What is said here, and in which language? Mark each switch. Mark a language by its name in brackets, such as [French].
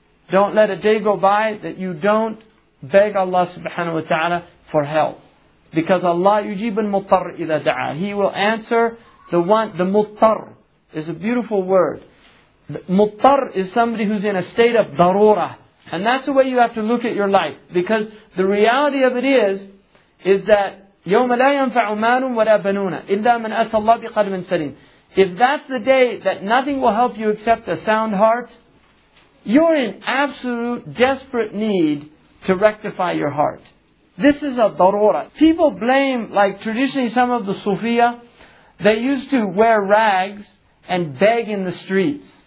[English] Don't let a day go by that you don't beg Allah subhanahu wa ta'ala for help. Because Allah [Arabic] yujib al-muttar ila da'a. [English] He will answer. The one, the muttar is a beautiful word. Muttar is somebody who's in a state of darura. And that's the way you have to look at your life. Because the reality of it is that [Arabic] يَوْمَ لَا يَنْفَعُ مَالٌ وَلَا بَنُونَ إِلَّا مَنْ أَتَى اللَّهَ بِقَلْبٍ سَلِيمٍ. [English] If that's the day that nothing will help you except a sound heart, you're in absolute desperate need to rectify your heart. This is a darura. People blame, like traditionally some of the Sufiya, they used to wear rags and beg in the streets.